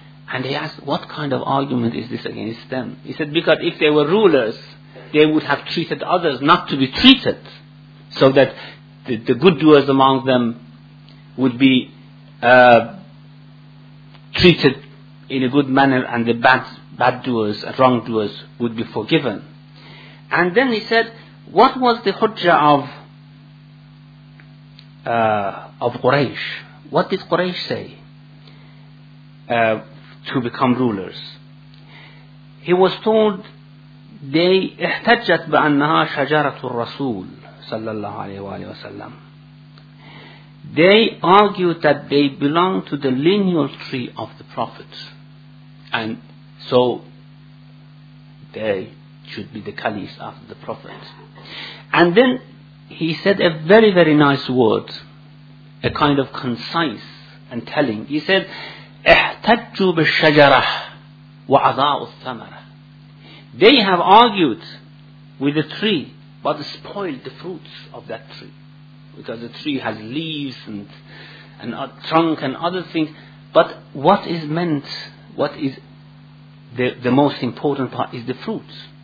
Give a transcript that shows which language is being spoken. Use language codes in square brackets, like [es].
[en] And he asked, what kind of argument is this against them? He said, because if they were rulers, they would have treated others not to be treated, so that the good doers among them would be treated in a good manner, and the bad doers and wrong doers would be forgiven. And then he said, what was the hujjah of Quraysh? What did Quraysh say to become rulers? He was told, they [ar] احتجت بأنها شجرة الرسول صلى الله عليه وآله وسلم. [en] They argued that they belong to the lineal tree of the Prophet, and so they should be the caliphs after the Prophet. And then he said a very, very nice word, a kind of concise and telling. He said, [ar] احتجوا بالشجرة وأضاعوا الثمرة. [en] They have argued with the tree, but spoiled the fruits of that tree. Because the tree has leaves and a trunk and other things. But what is meant, what is the most important part is the fruits.